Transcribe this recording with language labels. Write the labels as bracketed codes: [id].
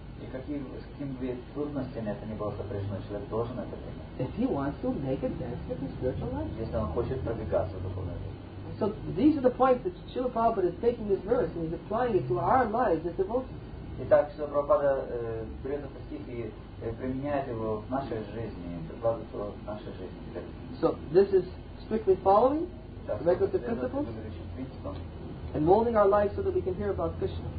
[ru] И каким бы трудностями это ни было сопряжено, человек должен это принять. Если он хочет продвигаться в духовной жизни. [en] So these are the points that Srila Prabhupada is taking this verse and he's applying it to our lives as devotees. [ru] Итак, Srila Prabhupada берет этот стих и применяет его в нашей жизни, прикладывает его в нашей жизни. [en] So this is strictly following regulative principles and molding our lives so that we can hear about Krishna.